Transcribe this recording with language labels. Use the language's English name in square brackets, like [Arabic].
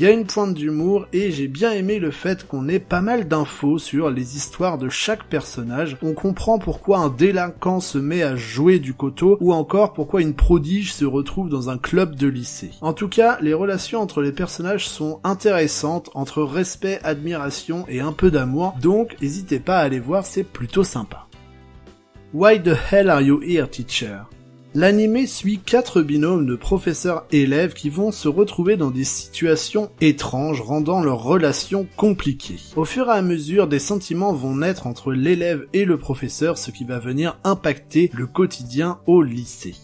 [French] Il y a une pointe d'humour et j'ai bien aimé le fait qu'on ait pas mal d'infos sur les histoires de chaque personnage, on comprend pourquoi un délinquant se met à jouer du koto ou encore pourquoi une prodige se retrouve dans un club de lycée. En tout cas, les relations entre les personnages sont intéressantes entre respect, admiration et un peu d'amour, donc n'hésitez pas à aller voir, c'est plutôt sympa. [English] Why the hell are you here, teacher? [French] L'anime suit 4 binômes de professeurs-élèves qui vont se retrouver dans des situations étranges, rendant leurs relations compliquées. Au fur et à mesure, des sentiments vont naître entre l'élève et le professeur, ce qui va venir impacter le quotidien au lycée.